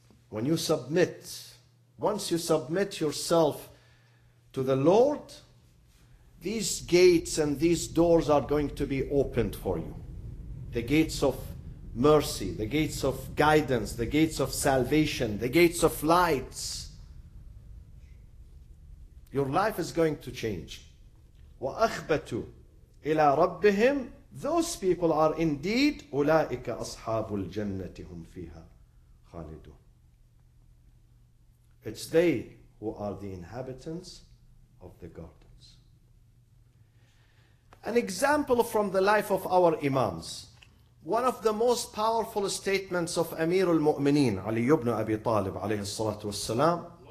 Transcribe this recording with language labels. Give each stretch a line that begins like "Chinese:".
English: When you submit, once you submit yourself to the Lord, these gates and these doors are going to be opened for you. The gates of mercy, the gates of guidance, the gates of salvation, the gates of lights. Your life is going to change.
Arabic: وَأَخْبَتُوا إِلَىٰ رَبِّهِمْ.
English: Those people are indeed
Arabic: أُولَٰئِكَ أَصْحَابُ الْجَنَّةِ هُمْ فِيهَا خَالِدُونَ.
English: It's they who are the inhabitants of the garden. An example from the life of our imams. One of the most powerful statements of Amir al-Mu'mineen, Ali ibn Abi Talib, alayhi salatu wassalam.